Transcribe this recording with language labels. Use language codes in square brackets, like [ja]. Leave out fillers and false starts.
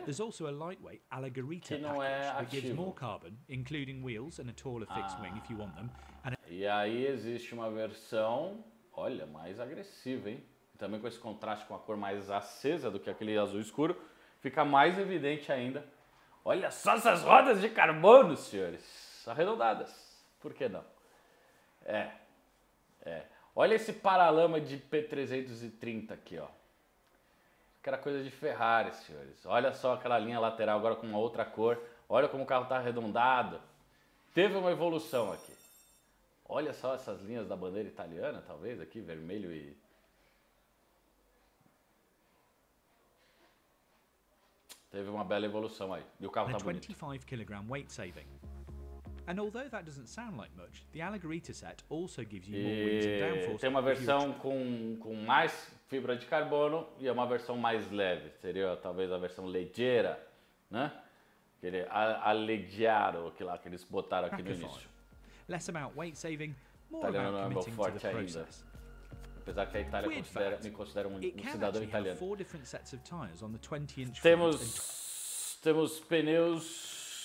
[en] There's also a lightweight Alligarita package that gives more carbon, including wheels and a taller fixed wing if you want them. [pt] E aí existe uma versão, olha, mais agressiva, hein? Também com esse contraste com a cor mais acesa do que aquele azul escuro. Fica mais evidente ainda. Olha só essas rodas de carbono, senhores. Arredondadas. Por que não? Olha esse paralama de P330 aqui, ó. Aquela coisa de Ferrari, senhores. Olha só aquela linha lateral agora com uma outra cor. Olha como o carro tá arredondado. Teve uma evolução aqui. Olha só essas linhas da bandeira italiana, talvez, aqui, vermelho e... Teve uma bela evolução aí. E o carro tá bonito. [en] 25 kg weight saving. And although that doesn't sound like much, the Alligarita set also gives you more wings and downforce. [pt] Tem uma versão com mais fibra de carbono e é uma versão mais leve. Seria talvez a versão leggera, né? Aquele Alleggiaro, que lá que eles botaram aqui no início. [en] Less about weight saving, more about committing to the process. [pt] Apesar que a Itália me considera um cidadão italiano. Temos pneus...